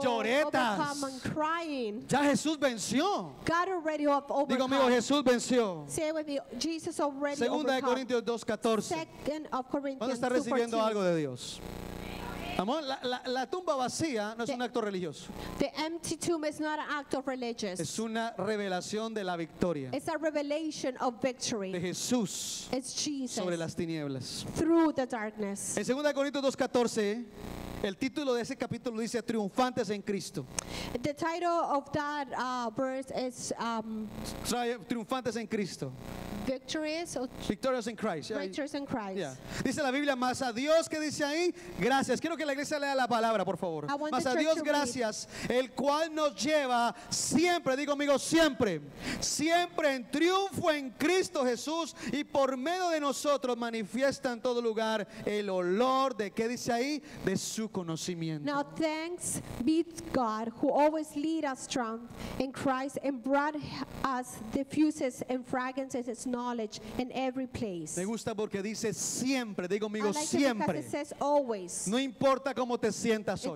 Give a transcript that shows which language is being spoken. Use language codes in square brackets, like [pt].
[es] lloretas. [en] Overcome and crying. [es] Ya Jesús venció. [en] God already have overcome. [es] Digo amigo, Jesús venció. [en] Say with me, Jesus already [es] Segunda [en] overcome. [es] De Corintios 2:14. [en] Second of Corinthians. [es] ¿Cuándo está recibiendo [en] 2:14. [es] Algo de Dios? Amor, la tumba vacía no es un acto religioso. [en] The empty tomb is not an act of religious. [es] Es una revelación de la victoria. [en] It's a revelation of victory. [es] De Jesús. [en] It's Jesus. [es] Sobre las tinieblas. [en] Through the darkness. [es] En 2 Corintios 2:14, el título de ese capítulo dice triunfantes en Cristo. [en] The title of that verse is [es] triunfantes en Cristo. [en] Victorious in Christ. Victorious in Christ. Yeah. [es] Dice la Biblia, más a Dios que dice ahí, gracias. Quiero que la iglesia lea la palabra, por favor. Más a Dios, gracias, el cual nos lleva siempre, digo amigo, siempre, siempre en triunfo en Cristo Jesús, y por medio de nosotros manifiesta en todo lugar el olor de, ¿qué dice ahí? De su conocimiento. [en] Now thanks be God who always lead us strong in Christ and brought us diffuses and fragrances knowledge in every place. [es] Me gusta porque dice siempre, digo amigo, [en] like [es] siempre. [en] It says always. [es] No importa cómo te sientas hoy.